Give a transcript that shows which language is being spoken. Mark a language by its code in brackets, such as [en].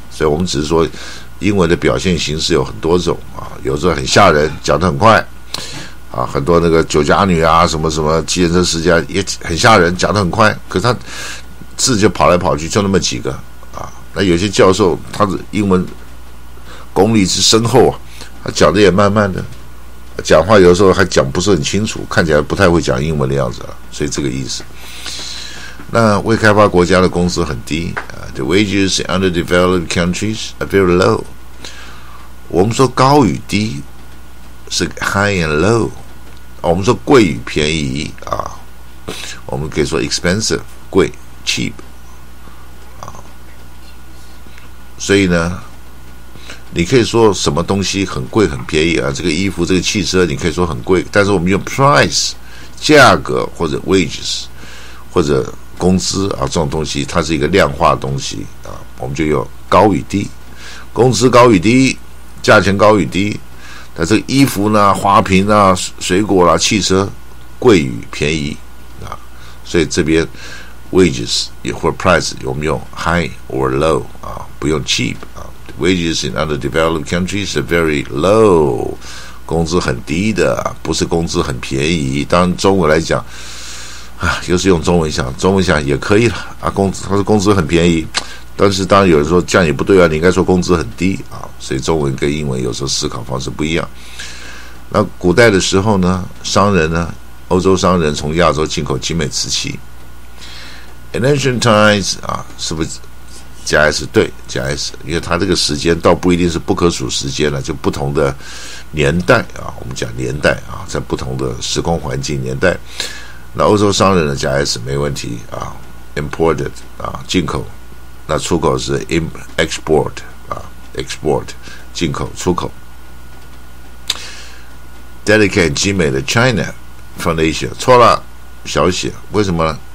[zh] 所以我们只是说英文的表现形式有很多种啊，有时候很吓人，讲得很快啊，很多那个酒家女啊什么什么计程车司机也很吓人，讲得很快，可是他字就跑来跑去，就那么几个啊。那有些教授他的英文功力之深厚啊，他讲的也慢慢的，讲话有时候还讲不是很清楚，看起来不太会讲英文的样子了，所以这个意思。那未开发国家的工资很低啊 ， [en] the wages in underdeveloped countries are very low。 [zh] 我们说高与低是 [en] high and low， [zh] 我们说贵与便宜啊，我们可以说 expensive 贵。 cheap 啊，所以呢，你可以说什么东西很贵很便宜啊？这个衣服、这个汽车，你可以说很贵，但是我们用 price 价格或者 wages 或者工资啊，这种东西它是一个量化的东西啊，我们就用高与低，工资高与低，价钱高与低，但这个衣服呢、花瓶啊、水果啦、汽车贵与便宜啊，所以这边。 Wages 或 price 我们用 [en] high or low [zh] 啊，不用 cheap 啊。 [en] Wages in underdeveloped countries are very low， [zh] 工资很低的，不是工资很便宜。当中文来讲，啊，又是用中文想，中文想也可以了啊。工资很便宜，但是当然有人说这样也不对啊，你应该说工资很低啊。所以中文跟英文有时候思考方式不一样。那古代的时候呢，商人呢，欧洲商人从亚洲进口精美瓷器。 [en] In ancient times [zh] 啊，是不是加 s 对加 s？因为它这个时间倒不一定是不可数时间了，就不同的年代啊，我们讲年代啊，在不同的时空环境年代，那欧洲商人的加 s 没问题啊 ，imported 啊，进口，那出口是 export 啊 ，export 进口出口 ，delicate 精美的 China from Asia 错了，小写，为什么呢？